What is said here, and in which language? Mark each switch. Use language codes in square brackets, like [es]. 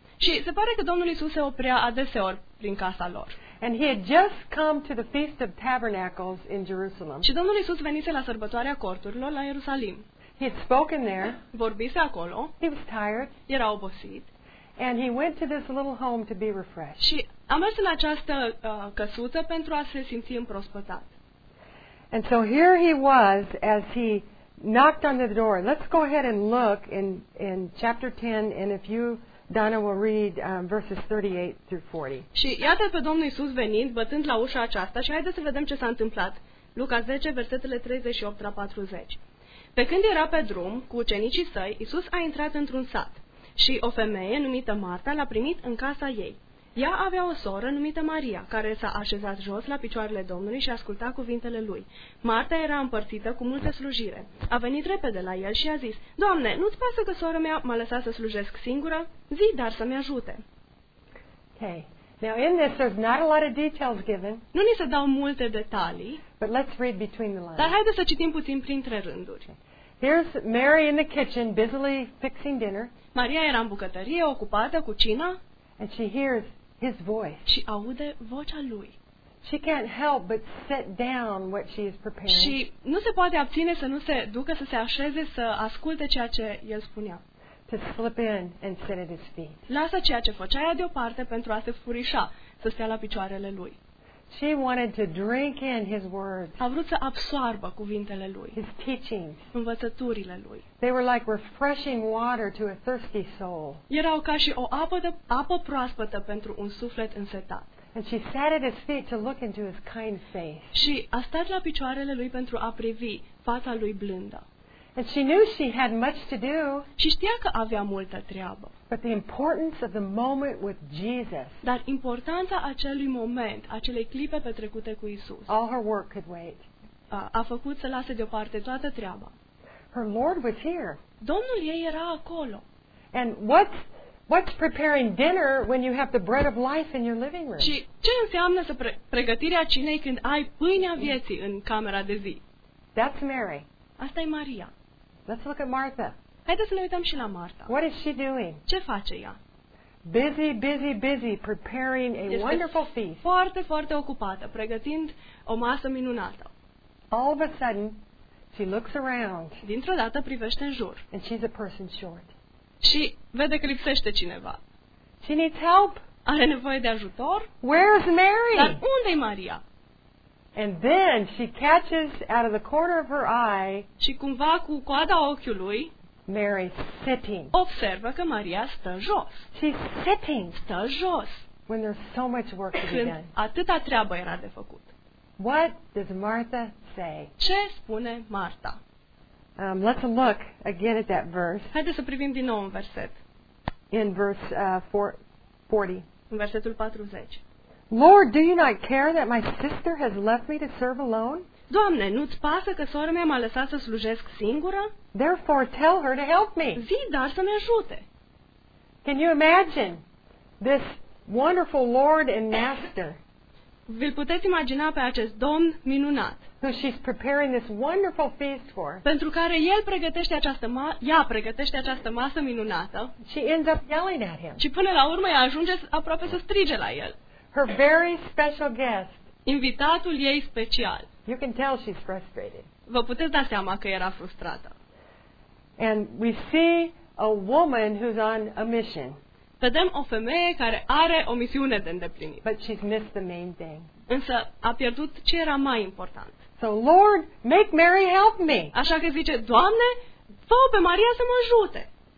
[ro] Și se pare că Domnul Iisus se oprea adeseori prin casa lor. [en] And he had just come to the Feast of Tabernacles in Jerusalem. [ro] Și Domnul Iisus venise la sărbătoarea corturilor la Ierusalim. [en] He had spoken there. [ro] Vorbise acolo. [en] He was tired. [ro] Era obosit. [en] And he went to this little home to be refreshed. [ro] Și a mers în această căsuță pentru a se simți împrospătat. [en] And so here he was as he knocked on the door. Let's go ahead and look in chapter 10, and if you Donna will read verses 38 through 40. [ro] Și iată pe Domnul Iisus venind, bătând la ușa aceasta, și haideți să vedem ce s-a întâmplat. Luca 10, versetele 38 la 40. Pe când era pe drum cu ucenicii săi, Iisus a intrat într-un sat și o femeie numită Marta l-a primit în casa ei. Ea avea o soră numită Maria, care s-a așezat jos la picioarele Domnului și asculta cuvintele lui. Marta era împărțită cu multe slujire. A venit repede la el și a zis, Doamne, nu-ți pasă că sora mea m-a lăsat să slujesc singură? Zi, dar să-mi ajute. [en] Okay. Now in this there's not a lot of details given. [ro] Nu ni se dau multe detalii. [en] But let's read between the lines. [ro] Dar haideți să citim puțin printre rânduri. [en] Here's Mary in the kitchen busily fixing dinner. [ro] Maria era în bucătărie ocupată cu cina. [en] And she hears his voice. [ro] Și aude vocea lui. [en] She can't help but sit down what she is preparing. [ro] Și nu se poate abține să nu se ducă să se așeze să asculte ceea ce el spunea. [en] To slip in and sit at his feet. [ro] Lasă ceea ce făcea ea deoparte pentru a se furișa să stea la picioarele lui. [en] She wanted to drink in his words. [ro] A vrut să absoarbă cuvintele lui. [en] His teachings. [ro] Învățăturile lui. [en] They were like refreshing water to a thirsty soul. [ro] Erau ca și o apă proaspătă pentru un suflet însetat. [en] And she sat at his feet to look into his kind face. [ro] Și a stat la picioarele lui pentru a privi fața lui blândă. [en] And she knew she had much to do. [ro] Și știa că avea multă treabă. [en] But the importance of the moment with Jesus. [ro] Dar importanța acelui moment, acelei clipe petrecute cu Isus. [en] All her work could wait. [ro] A făcut să lase deoparte toată treaba. [en] Her Lord was here. [ro] Domnul ei era acolo. [en] And what's preparing dinner when you have the bread of life in your living room? [ro] Și ce înseamnă să pregătirea cinei când ai pâinea vieții în camera de zi? [en] That's Mary. [ro] Asta e Maria. [en] Let's look at Martha. [ro] Haideți să ne uităm și la Marta. [en] What is she doing? [ro] Ce face ea? [en] Busy, busy, busy preparing a wonderful feast. [ro] Foarte, foarte ocupată, pregătind o masă minunată. [en] All of a sudden, she looks around. [ro] Dintr-o dată privește în jur. [en] And she's a person short. [ro] Și vede că lipsește cineva. [en] She needs help. [ro] Are nevoie de ajutor. [en] Where's Mary? [ro] Dar unde e Maria? [en] And then she catches out of the corner of her eye. [ro] Și cumva cu coada ochiului. [en] Mary sitting. [ro] Observă că Maria stă jos. [en] She's sitting. [ro] Stă jos. [en] When there's so much work to be done. [ro] Atâta treabă era de făcut. [en] What does Martha say? [ro] Ce spune Marta? [en] Let's look again at that verse. [ro] Haideți să privim din nou în verset. [en] In verse 40. [ro] În versetul 40. [en] Lord, do you not care that my sister has left me to serve alone? [ro] Doamne, nu-ți pasă că sora mea m-a lăsat să slujesc singură? [en] Therefore, tell her to help me. [ro] Zii, dar să-mi ajute. [en] Can you imagine this wonderful Lord and Master? [ro] Vi-l puteți imagina pe acest Domn minunat? [en] Who she's preparing this wonderful feast for? [ro] Pentru care el pregătește această ea pregătește această masă minunată. [en] She ends up yelling at him. [ro] Și până la urmă ea ajunge aproape să strige la el. [en] Her very special guest. [ro] Invitatul ei special. [en] You can tell she's frustrated. [ro] Vă puteți da seama că era frustrată. [en] And we see a woman who's on a mission. [ro] Vedem o femeie care are o misiune de îndeplinit. [en] But she's missed the main thing. [ro] Însă a pierdut ce era mai important. [en] So Lord, make Mary help me. [ro] Așa că zice, Doamne, fă pe Maria să mă ajute.